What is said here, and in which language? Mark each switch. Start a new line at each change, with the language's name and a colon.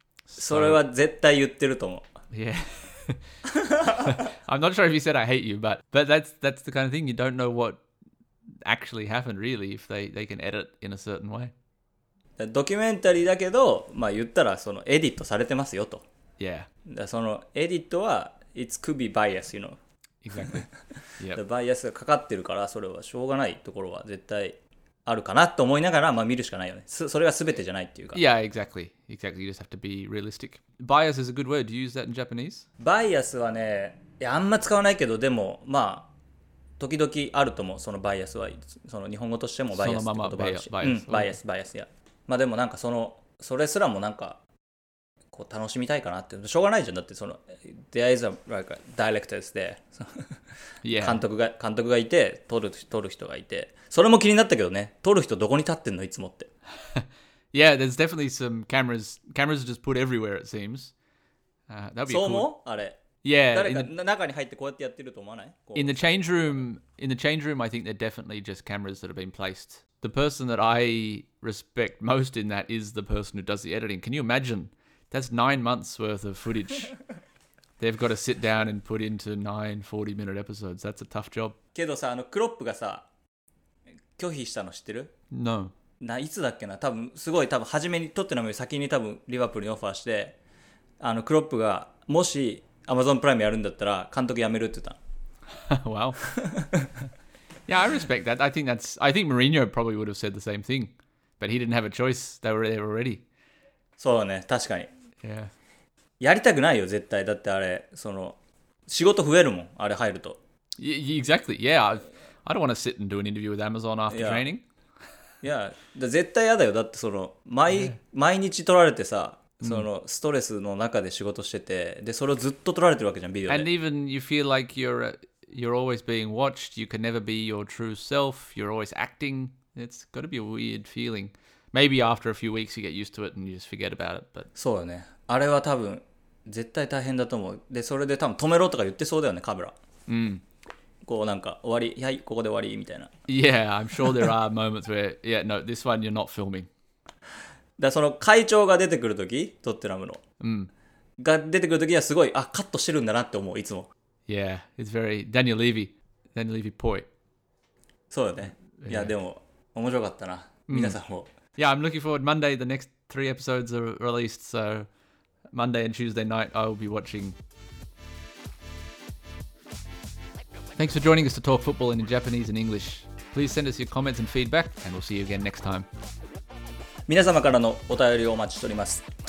Japanese: So, それは絶対言ってると思う。
English: Yeah. I'm not sure if he said I hate you, but that's the kind of thing. You don't know what actually happened, really, if they can edit in a certain way.
Japanese: ドキュメンタリーだけど、まあ言ったらそのエディットされてますよと。
English: Yeah.
Japanese: だそのエディットは
English: It could be bias, you know. Exactly.
Japanese: The bias がかかってるから、それはしょうがないところは絶対あるかなと思いながら、まあ見るしかないよね。それが全てじゃないっていうか。
English: Yeah, exactly. Exactly. You just have to be realistic. Bias is a good word. Do you use that in Japanese?
Japanese: Bias はね、いやあんま使わないけど、でもまあ時々あると思う。そのバイアスは、その日本語としてもバイアスって言葉あるし。そのままバイアス。うん、バイアス、バイアス、いや。まあでもなんかその、それすらもなんか、こう楽しみたいかなってしょうがないじゃんだってその
English: There is a like a director
Japanese: で、
English: yeah.
Japanese: 監督がいて撮る人がいてそれも気になったけどね撮る人どこに立ってんのいつもって
English: Yeah, there's definitely some cameras just put everywhere it seems. That'd be cool.
Japanese: そう思う？あれ。
English: Yeah.
Japanese: 誰か中に入ってこうやってやってると思わない
English: ？In the change room, I think they're definitely just cameras that have been placed. The person that I respect most in that is the person who does the editing. Can you imagine? That's 9 months worth of footage. They've got to sit down and put into 9 40-minute episodes. That's a tough job.
Japanese: けどさ、あのクロップがさ、拒否したの知ってる
English: ？No.
Japanese: ないつだっけな。多分すごい多分初めに撮ってのも先に多分リバプールにオファーして、あのクロップがもしアマゾンプライムやるんだったら監督辞めるって言った
English: の。Wow. Yeah, I respect that. I think Mourinho probably would have said the same thing, but he didn't have a choice. They were there already.
Japanese: そうね確かに、
English: yeah.
Japanese: やりたくないよ絶対だってあれその仕事増えるもんあれ入ると
English: exactly yeah I don't want to sit and do an interview with Amazon after training yeah.
Japanese: だ絶対やだよだってその毎日撮られてさその、mm. ストレスの中で仕事しててでそれをずっと撮られてるわけじゃんビデオで
English: and even you feel like you're always being watched you can never be your true self you're always acting it's got to be a weird feelingMaybe after a few weeks you get used to it and you just forget about it. But
Japanese: そうだね。あれは多分絶対大変だと思う。で、それで多分止めろとか言ってそうだよね、カメラ。うん。こうなんか終わり、はい、ここで終わりみたいな。
English: Yeah, I'm sure there are moments where, yeah, no, this one you're not filming.
Japanese: だその会長が出てくるとき、トッテナムの。うん。が出てくるときはすごい、あ、カットしてるんだなって思う、いつも。
English: Yeah, it's very Daniel Levy. Daniel Levy ぽい。
Japanese: そうだね。いや、でも面白かったな、皆さんも。
English: Yeah, I'm looking forward. Monday, the next 3 episodes are released. So, Monday and Tuesday night, I will be watching. Thanks for joining us to talk football in Japanese and English. Please send us your comments and feedback, and we'll see you again next time.
Japanese: 皆様からのお便りをお待ちしております。